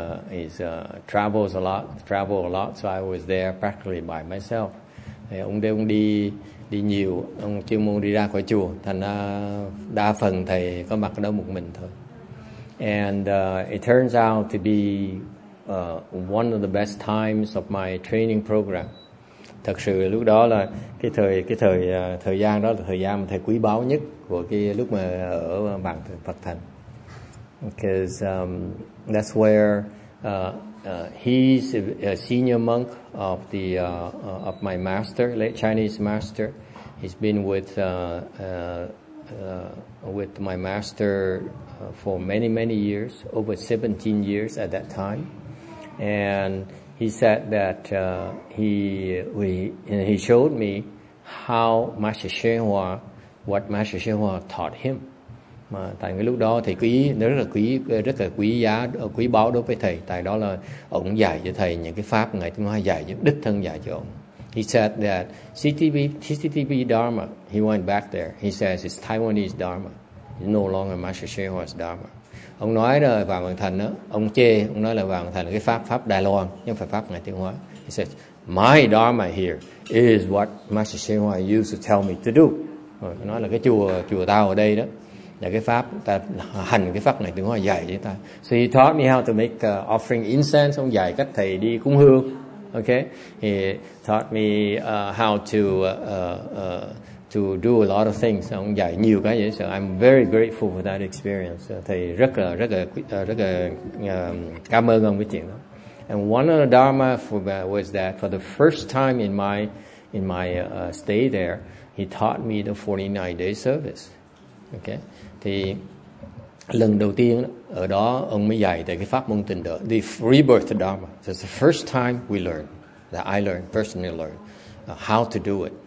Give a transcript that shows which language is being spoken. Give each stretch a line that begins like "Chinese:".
English: He travels a lot, so I was there practically by myself.
Vietnamese: Thì ông đi nhiều, ông chuyên môn đi ra khỏi chùa, thành ra đa phần thầy có mặt ở đó một mình thôi.
English: And it turns out to be one of the best times of my training program.
Vietnamese: Thật sự lúc đó là cái thời gian đó là thời gian mà thầy quý báu nhất của cái lúc mà ở bàn Phật Thành.
English: Because that's where he's a senior monk of the of my master, late Chinese master. He's been with my master for many, many years, over 17 years at that time. And he said that he showed me how Master Shenhua, what Master Shenhua taught him.
Vietnamese: Mà tại cái lúc đó thầy quý, nó rất là quý giá, quý báu đối với thầy. Tại đó là ông dạy cho thầy những cái pháp ngài Tiên Hóa dạy, đích thân dạy cho ông.
English: He said that CTV Dharma, he went back there. He says it's Taiwanese Dharma. It's no longer Master Shehua's Dharma.
Vietnamese: Ông nói là vào Hoàng Thành đó, ông chê, ông nói là vào Hoàng Thành là cái pháp Đài Loan, nhưng phải pháp Ngài Tiếng Hóa.
English: He says, my Dharma here is what Master Shehua used to tell me to do.
Vietnamese: Ông nói là cái chùa tao ở đây đó, là cái pháp ta hành cái pháp này từ hồi dạy chúng ta.
English: So he taught me how to make offering incense.
Vietnamese: Ông dạy cách thầy đi cúng hương.
English: Okay, he taught me how to do a lot of things.
Vietnamese: Ông dạy nhiều cái vậy.
English: So I'm very grateful for that experience.
Vietnamese: Thầy rất là cảm ơn ông cái chuyện đó.
English: And one of the dharma was that for the first time in my stay there, he taught me the 49 day service. Okay.
Vietnamese: Thì lần đầu tiên ở đó ông mới dạy tại cái pháp môn tịnh độ,
English: the rebirth dharma. So it's the first time we learn, that I learned, personally learned, how to do it.